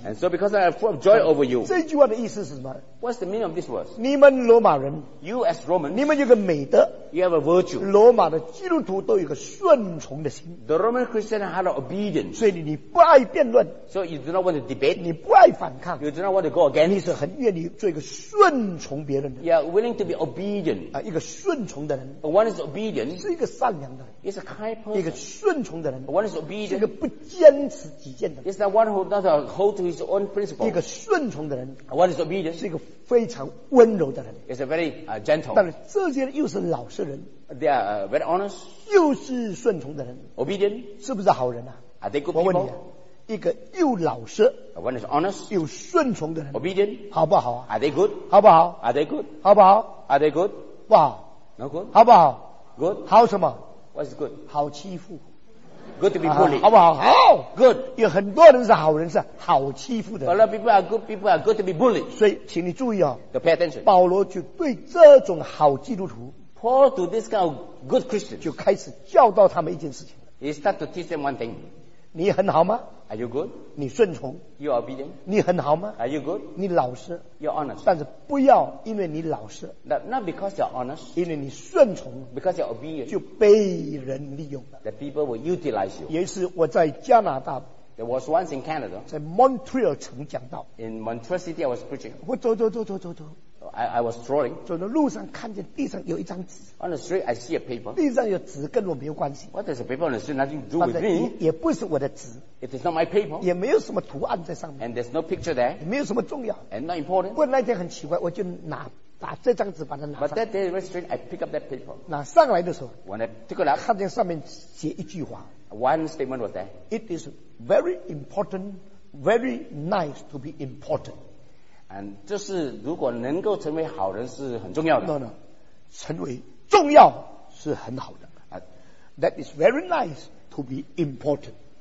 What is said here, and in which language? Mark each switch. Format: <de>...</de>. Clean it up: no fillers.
<en>And so because I am full of joy over you</en> <zh>这句话的意思是什么</zh> <en>What's the meaning of this verse</en> <zh>你们罗马人</zh> <en>You as Romans</en> <zh>你们有个美德</zh> <en>You have a virtue</en> <zh>罗马的基督徒都有个顺从的心</zh> <en>The Roman Christian had an obedience</en> <zh>所以你不爱辩论</zh> <en>So you do not want to debate</en> <zh>你不爱反抗</zh> <en>You do not want to go against</en> <zh>你是很愿意做一个顺从别人的</zh> <en>You are willing to be obedient</en> <zh>一个顺从的人</zh> <en>One is obedient</en> <zh>是一个善良的人</zh> <en>It's a kind person</en> <zh>一个顺从的人</zh> <en>One is obedient</en> <zh>是一个不坚持己见的人</zh> <en>It's the one who does not hold to his own principle</en> <zh>一个顺从的人</zh> <en>One is obedient</en> <zh>是一个非常温柔的人</zh> <en>It's a very gentle</en> <zh>但是这些人又是老实人</zh> <en>They are very honest</en> <zh>又是顺从的人</zh> <en>Obedient</en> <zh>是不是好人啊</zh> <en>Are they good people</en> <zh>我问你啊一个又老实</zh> <en>One is honest</en> <zh>又顺从的人</zh> <en>Obedient</en> <zh>好不好</zh> <en>Are they good</en> <zh>好不好</zh> <en>Are they good</en> <zh>好不好</zh> <en>Are they good</en> <zh>不好</zh> <en>No good</en> <zh>好不好</zh> <en>Good</en> <zh>好什么</zh> <en>What's good?</en> <zh>好欺负。</zh> <en>Good to be bullied.</en> <zh>好不好？好。</zh> <en>Good.</en> <zh>有很多人是好人，是好欺负的。</zh> <en>A lot of people are good. People are good to be bullied.</en> <zh>所以，请你注意哦。</zh> <en>The pay attention.</en> <zh>保罗就对这种好基督徒</zh> <en>，Paul to this kind of good Christians，</en> <zh>就开始教导他们一件事情。</zh> <en>He start to teach them one thing.</en> <zh>你很好吗</zh> <en>？Are you good？</en> <zh>你顺从</zh> <en>？You are obedient？</en> <zh>你很好吗</zh> <en>？Are you good？</en> <zh>你老实</zh> <en>？You're honest？</en> <zh>但是不要因为你老实</zh> <en>，Not because you're honest，</en> <zh>因为你顺从</zh> <en>，Because you're obedient，</en> <zh>就被人利用了。</zh> <en>The people will utilize you。</en> <zh>也是我在加拿大</zh> <en>，There was once in Canada，</en> <zh>在 Montreal 城讲道</zh> <en>，In Montreal City I was preaching。</en> <zh>我走。</zh> <en>I was strolling.</en> <zh>走的路上看见地上有一张纸。</zh> <en>On the street, I see a paper.</en> <zh>地上有纸跟我没有关系。</zh> <en>What is a paper on the street? Nothing to do with me.</en> <zh>也不是我的纸。</zh> <en>It is not my paper.</en> <zh>也没有什么图案在上面。</zh> <en>And there's no picture there.</en> <zh>也没有什么重要。</zh> <en>And not important.</en> <zh>我那天很奇怪，我就把这张纸把它拿上。</zh> <en>But that day, very strange, I pick up that paper.</en> <zh>拿上来的时候</zh> <en>，When I took it up,</en> <zh>看见上面写一句话。</zh> <en>One statement was there. It is very important, very nice to be important.</en> <zh>就是如果能够成为好人是很重要的。 No, 成为重要是很好的。</zh> <en>That is very nice to be important.</en>